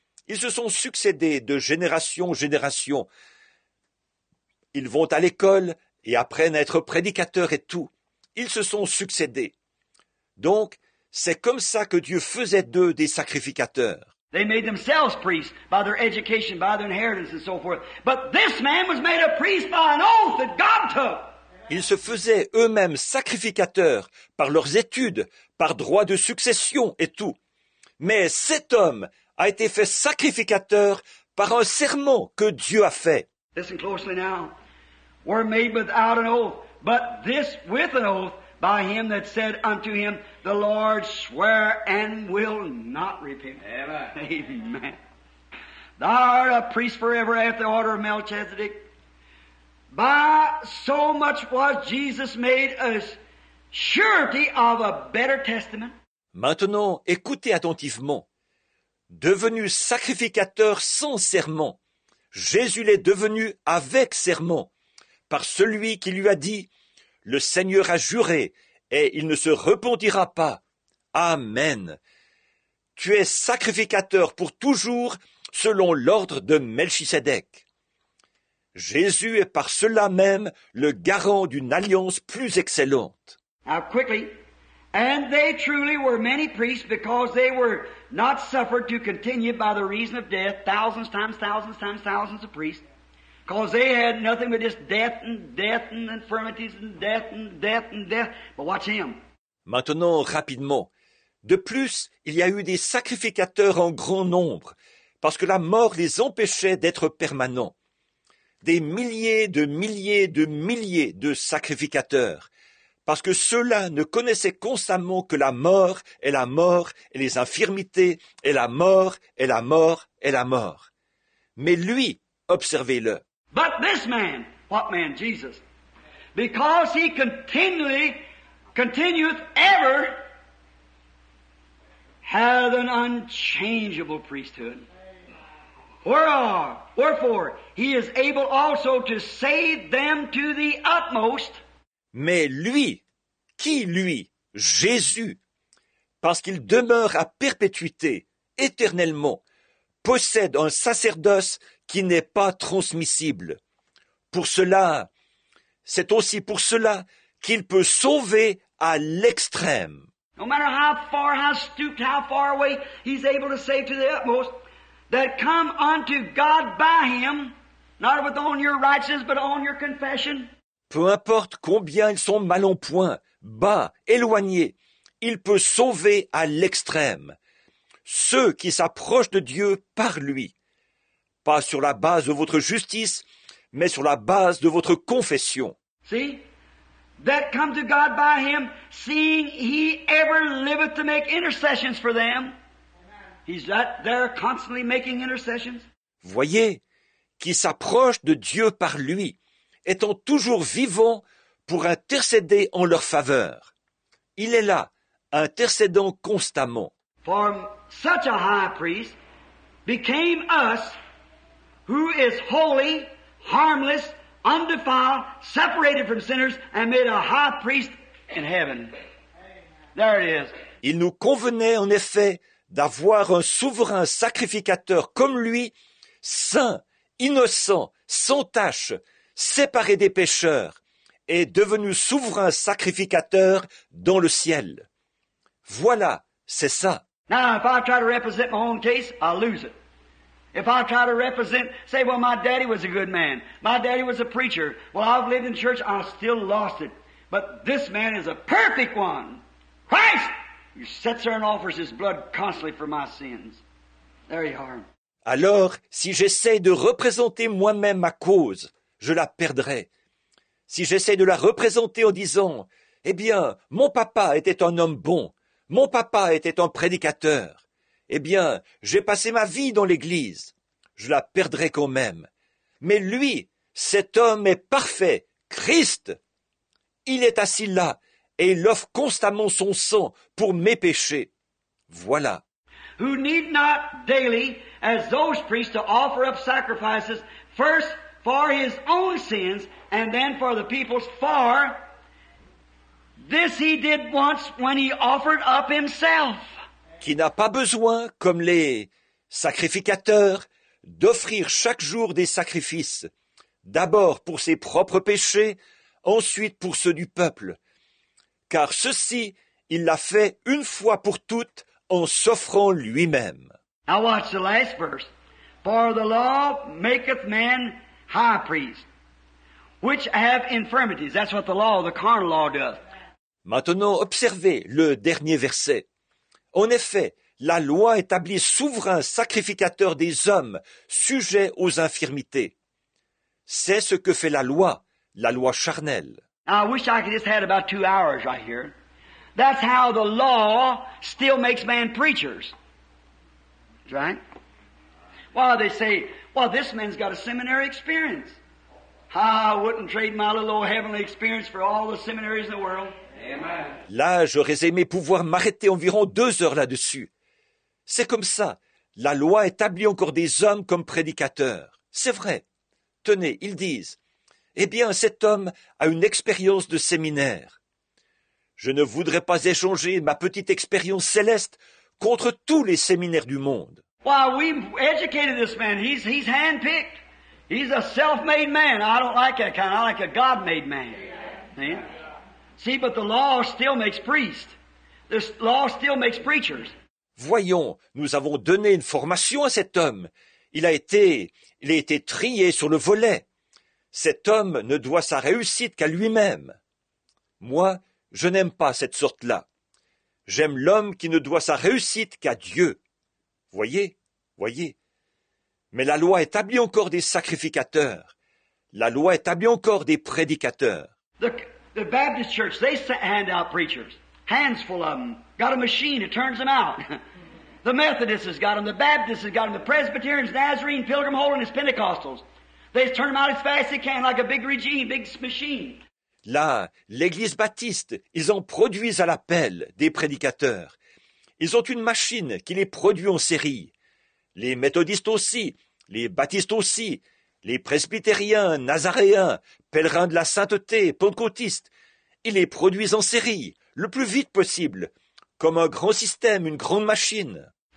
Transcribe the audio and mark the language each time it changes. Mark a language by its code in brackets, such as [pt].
[fr] Ils se sont succédés de génération en génération. Ils vont à l'école et apprennent à être prédicateurs et tout. Ils se sont succédés. Donc, c'est comme ça que Dieu faisait d'eux des sacrificateurs. [en] They made themselves priests by their education, by their inheritance and so forth. But this man was made a priest by an oath that God took. [fr] Ils se faisaient eux-mêmes sacrificateurs par leurs études, par droit de succession et tout. Mais cet homme a été fait sacrificateur par un serment que Dieu a fait. [en] Listen closely now. We're made without an oath, but this with an oath by him that said unto him, the Lord swear and will not repent. Amen. Amen. Thou art a priest forever after the order of Melchizedek. By so much was Jesus made a surety of a better testament. [fr] Maintenant, écoutez attentivement. Devenu sacrificateur sans serment, Jésus l'est devenu avec serment, par celui qui lui a dit, le Seigneur a juré, et il ne se repentira pas. Amen. Tu es sacrificateur pour toujours, selon l'ordre de Melchisédek. Jésus est par cela même le garant d'une alliance plus excellente. [en] Now quickly, and they truly were many priests because they were not suffered to continue by the reason of death, thousands times thousands times thousands of priests, because they had nothing but just death and death and infirmities and death and death and death. But watch him. [fr] Maintenant, rapidement. De plus, il y a eu des sacrificateurs en grand nombre parce que la mort les empêchait d'être permanents. Des milliers de milliers de milliers de sacrificateurs, parce que ceux-là ne connaissaient constamment que la mort et la mort et les infirmités et la mort et la mort et la mort. Mais lui, observez-le. [en] But this man, what man? Jesus. Because he continueth ever, hath an unchangeable priesthood. Wherefore, he is able also to save them to the utmost. [fr] Mais lui, qui lui? Jésus. Parce qu'il demeure à perpétuité, éternellement, possède un sacerdoce qui n'est pas transmissible. Pour cela, c'est aussi pour cela qu'il peut sauver à l'extrême. [en] No matter how far, how stooped, how far away, he's able to save to the utmost. That come unto God by him, not with on your righteousness, but on your confession. [fr] Peu importe combien ils sont mal en point, bas, éloignés, il peut sauver à l'extrême ceux qui s'approchent de Dieu par lui. Pas sur la base de votre justice, mais sur la base de votre confession. [en] See? That come to God by him, seeing he ever liveth to make intercessions for them. He's that there constantly making intercessions. [fr] Voyez, qui s'approche de Dieu par lui, étant toujours vivant pour intercéder en leur faveur. Il est là, intercédant constamment. [en] For such a high priest became us who is holy, harmless, undefiled, separated from sinners, and made a high priest in heaven. There it is. [fr] Il nous convenait en effet d'avoir un souverain sacrificateur comme lui, saint, innocent, sans tache, séparé des pécheurs, et devenu souverain sacrificateur dans le ciel. Voilà, c'est ça. [en] Now, if I try to represent my own case, I'll lose it. If I try to represent, say, well, my daddy was a good man. My daddy was a preacher. Well, I've lived in church, I still lost it. But this man is a perfect one. Christ! He sits there and offers his blood constantly for my sins. There you are. [fr] Alors, si j'essaie de représenter moi-même ma cause, je la perdrai. Si j'essaie de la représenter en disant, « Eh bien, mon papa était un homme bon, mon papa était un prédicateur, eh bien, j'ai passé ma vie dans l'Église, je la perdrai quand même. Mais lui, cet homme est parfait, Christ. Il est assis là et il offre constamment son sang pour mes péchés. Voilà. » [en] Who need not daily, as those priests, to offer up sacrifices, first for his own sins, and then for the people's, for this he did once when he offered up himself. [fr] Qui n'a pas besoin, comme les sacrificateurs, d'offrir chaque jour des sacrifices, d'abord pour ses propres péchés, ensuite pour ceux du peuple. Car ceci, il l'a fait une fois pour toutes, en s'offrant lui-même. [en] Now watch the last verse. For the law maketh man high priest, which have infirmities. That's what the law, the carnal law, does. [fr] Maintenant, observez le dernier verset. En effet, la loi établit souverain sacrificateur des hommes, sujet aux infirmités. C'est ce que fait la loi charnelle. [en] Now, I wish I could just had about 2 hours right here. That's how the law still makes man preachers. Right? Well, they say, well, this man's got a seminary experience. I wouldn't trade my little old heavenly experience for all the seminaries in the world. Amen. [fr] Là, j'aurais aimé pouvoir m'arrêter environ 2 heures là-dessus. C'est comme ça. La loi établit encore des hommes comme prédicateurs. C'est vrai. Tenez, ils disent, eh bien, cet homme a une expérience de séminaire. Je ne voudrais pas échanger ma petite expérience céleste contre tous les séminaires du monde. [en] Why, we've educated this man. He's handpicked. He's a self-made man. I don't like that kind. I like a God-made man. Amen. See, but the law still makes priests. The law still makes preachers. [fr] Voyons, nous avons donné une formation à cet homme. Il a été trié sur le volet. Cet homme ne doit sa réussite qu'à lui-même. Moi, je n'aime pas cette sorte-là. J'aime l'homme qui ne doit sa réussite qu'à Dieu. Voyez. Mais la loi établit encore des sacrificateurs. La loi établit encore des prédicateurs. [en] The Baptist Church, they hand out preachers. Hands full of them. Got a machine, it turns them out. The Methodists has got them. The Baptists has got them. The Presbyterians, Nazarene, Pilgrim, Holiness, Pentecostals. They turn them out as fast as they can, like a big regime, big machine. [fr] Là, l'Église baptiste, ils en produisent à l'appel des prédicateurs. Ils ont une machine qui les produit en série. Les méthodistes aussi, les baptistes aussi, les presbytériens, nazaréens, pèlerins de la sainteté, pentecôtistes, ils les produisent en série, le plus vite possible, comme un grand système, une grande machine.